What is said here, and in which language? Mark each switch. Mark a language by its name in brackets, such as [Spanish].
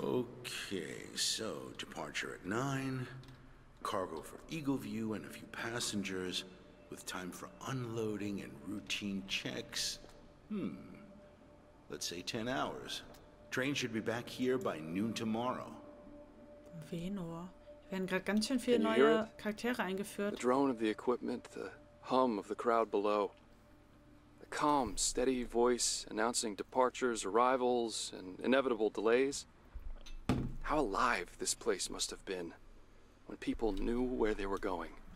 [English] Okay, so departure at 9, cargo for Eagleview and a few passengers, with time for unloading and routine checks. Let's say 10 hours. Train should be back here by noon tomorrow. Venor. [German] Werden gerade ganz schön viele neue Charaktere eingeführt. [English] The drone of the equipment, the hum of the crowd below. The calm, steady voice announcing departures, arrivals, and inevitable delays. How alive this place must have been when people knew where they were going.